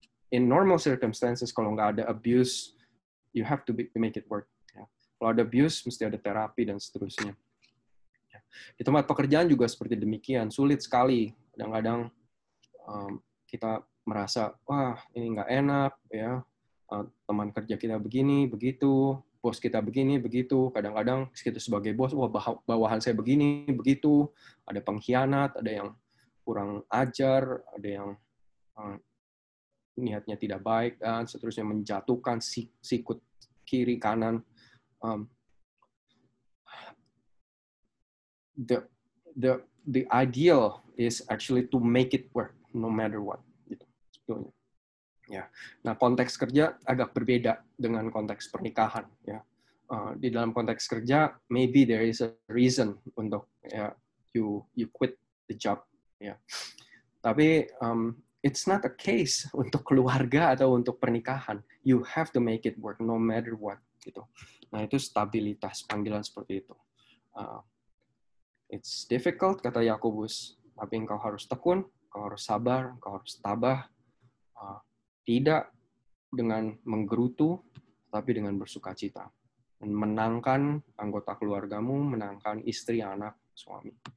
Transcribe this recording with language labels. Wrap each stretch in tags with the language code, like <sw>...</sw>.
<en>In normal circumstances,</en> <id>kalau nggak ada abuse,</id> <en>you have to make it work. Yeah.</en> <id>Kalau ada abuse, mesti ada terapi dan seterusnya. Yeah. Di tempat pekerjaan juga seperti demikian, sulit sekali. Kadang-kadang kita merasa, wah ini nggak enak, ya. Teman kerja kita begini, begitu. Bos kita begini, begitu. Kadang-kadang kita sebagai bos, wah bawahan saya begini, begitu. Ada pengkhianat, ada yang kurang ajar, ada yang niatnya tidak baik, dan seterusnya menjatuhkan sikut kiri kanan.</id> <en>The ideal is actually to make it work, no matter what.</en> <id>Gitu. Ya. Nah, konteks kerja agak berbeda dengan konteks pernikahan. Ya. Di dalam konteks kerja,</id> <en>maybe there is a reason</en> <id>untuk ya,</id> <en>you quit the job.</en> <id>Ya. Tapi</id> <en>it's not a case</en> <id>untuk keluarga atau untuk pernikahan.</id> <en>You have to make it work, no matter what.</en> <id>Gitu. Nah, itu stabilitas, panggilan seperti itu.</id> <en>It's difficult,</en> <id>kata Yakobus. Tapi engkau harus tekun, engkau harus sabar, engkau harus tabah. Tidak dengan menggerutu, tapi dengan bersuka cita. Menangkan anggota keluargamu, menangkan istri, anak, suami.</id>